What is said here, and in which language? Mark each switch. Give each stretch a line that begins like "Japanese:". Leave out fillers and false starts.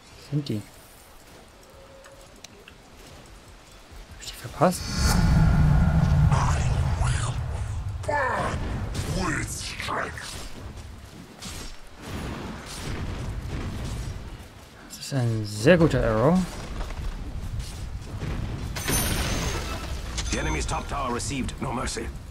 German: Sind die? Hab ich die verpasst?
English: I will burn with strength.
German: Das ist ein sehr guter Arrow.
English: The enemy's top tower received no mercy.